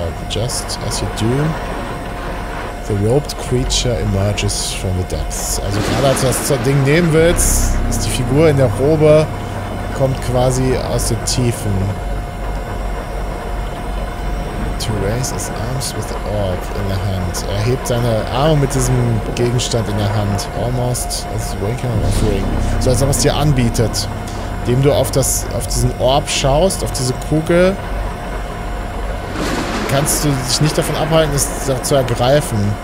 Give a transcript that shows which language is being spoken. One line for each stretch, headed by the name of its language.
English: Just as you do, the roped creature emerges from the depths.
German: Also gerade als du das Ding nehmen willst, ist die Figur in der Robe, kommt quasi aus den Tiefen.
English: To raise his arms with the orb in the hand.
German: Er hebt seine Arme mit diesem Gegenstand in der Hand.
English: Almost as waking or offering.
German: So als ob es dir anbietet. Indem du auf diesen Orb schaust, auf diese Kugel, kannst du dich nicht davon abhalten, es zu ergreifen.